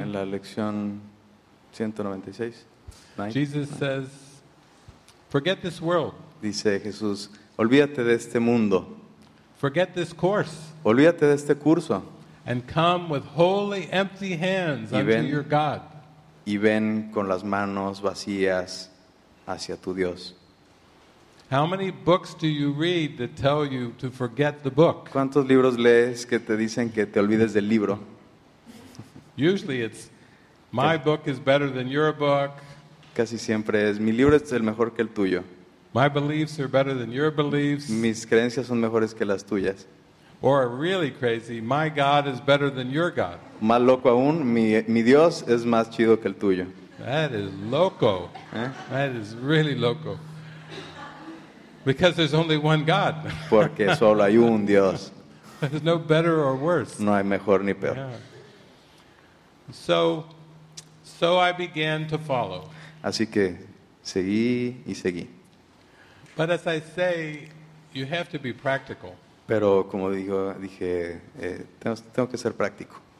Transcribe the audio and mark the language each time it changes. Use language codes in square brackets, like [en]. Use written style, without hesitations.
[es] en la lección 196, [en] Jesus says, forget this world, [es] dice Jesús, olvídate de este mundo, [en] forget this course, [es] olvídate de este curso, [en] and come with holy empty hands unto your God. [es] Y ven con las manos vacías hacia tu Dios. [en] How many books do you read that tell you to forget the book? [es] ¿Cuántos libros lees que te dicen que te olvides del libro? [en] Usually it's my book is better than your book. [es] Casi siempre es mi libro es el mejor que el tuyo. [en] My beliefs are better than your beliefs. [es] Mis creencias son mejores que las tuyas. [en] Or really crazy, my God is better than your God. [es] Más loco aún, mi Dios es más chido que el tuyo. [en] That is loco. ¿Eh? That is really loco. Because there's only one God. [es] Porque solo hay un Dios. [en] There's no better or worse. [es] No hay mejor ni peor. [en] So I began to follow. [es] Así que seguí y seguí. [en] But as I say, you have to be practical. [es] Pero como digo, dije, tengo que ser práctico.